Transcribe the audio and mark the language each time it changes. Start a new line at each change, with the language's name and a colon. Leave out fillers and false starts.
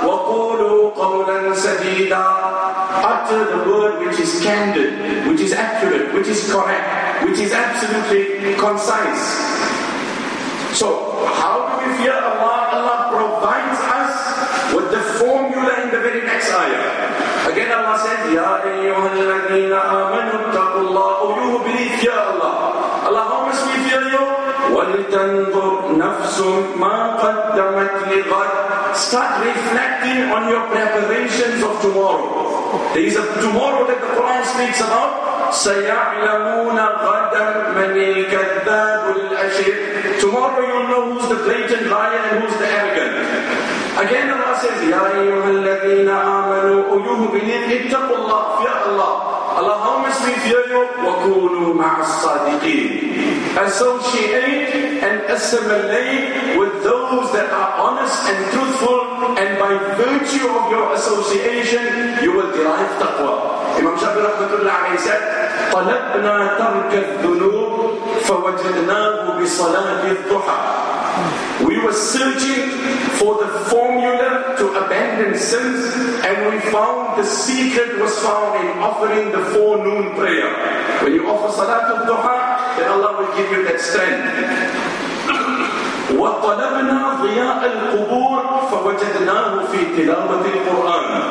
Arabic: وَقُولُوا قَوْلًا سَدِيدًا.
English: Utter the word which is candid, which is accurate, which is correct, which is absolutely concise. So, how do we fear Allah? Allah provides us with the formula in the very next ayah. Again Allah said,
Arabic: يَا أَيُّهَا الَّذِينَ آمَنُوا اتَّقُوا اللَّهُ.
English: Oh, you who believe, fear Allah. Allah, how must we fear you?
Arabic: وَلِتَنْظُرْ نَفْسٌ مَا قَدَّمَتْ لِغَدْ.
English: Start reflecting on your preparations of tomorrow. There is a tomorrow that the Quran speaks about.
Arabic: سَيَعْلَمُونَ غَدًا مَنِ
English: know who's the blatant liar and who's the arrogant. Again, Allah says,
Arabic: Ya ayyuhalladhina amanu uyuhubinin ittaqullah,
English: fear Allah. Allah, how must we fear you?
Arabic: وَكُونُوا مَعَ الصَّادِقِينَ.
English: Associate and assimilate with those that are honest and truthful, and by virtue of your association, you will derive taqwa. Imam Shafi'i rahmatullah alayhi said,
Arabic: طَلَبْنَا تَرْكَ الذُّنُوبِ فَوَجَدْنَاهُ بِصَلَاةِ الضُّحَى.
English: We were searching for the formula to abandon sins, and we found the secret was found in offering the forenoon prayer. When you offer Salatul Duha, then Allah will give you that strength.
Arabic: وَطَلَبْنَا ضِيَاءَ الْقُبُورِ فَوَجَدْنَاهُ فِي تِلَاوَةِ الْقُرْآنِ.